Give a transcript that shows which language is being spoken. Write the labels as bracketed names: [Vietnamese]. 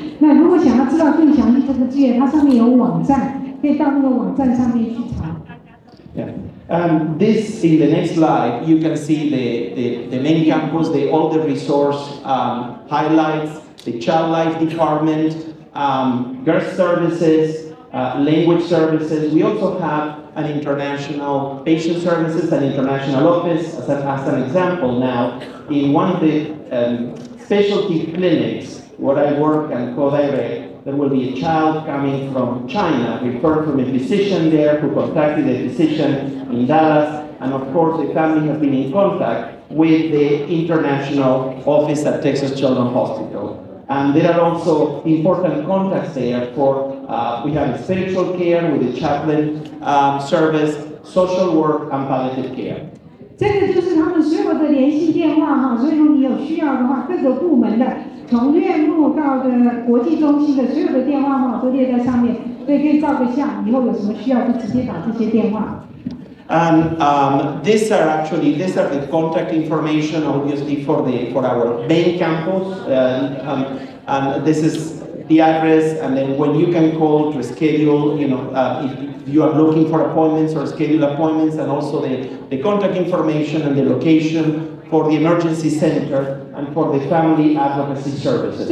[Chinese] 那如果想要知道更详细这个资源，它上面有网站，可以到那个网站上面去查。 Yeah. [English] This in the next slide, you can see the main campus, the all the resource highlights, the child life department, girls services. Language services. We also have an international patient services and international office as an example now in one of the specialty clinics where I work and co-direct. There will be a child coming from China referred from a physician there who contacted a physician in Dallas and of course the family has been in contact with the international office at Texas Children's Hospital. And there are also important contacts there forWe have spiritual care with the chaplain service, social work, and palliative care. [Chinese] 这个就是他们所有的联系电话哈，所以说你有需要的话，各个部门的，从院部到的国际中心的所有的电话号都列在上面，所以可以照个相，以后有什么需要就直接打这些电话。 [English] And these are the contact information, obviously for our main campus, and this is. The address, and then when you can call to schedule, if you are looking for appointments or schedule appointments, and also the contact information and the location for the emergency center and for the family advocacy services.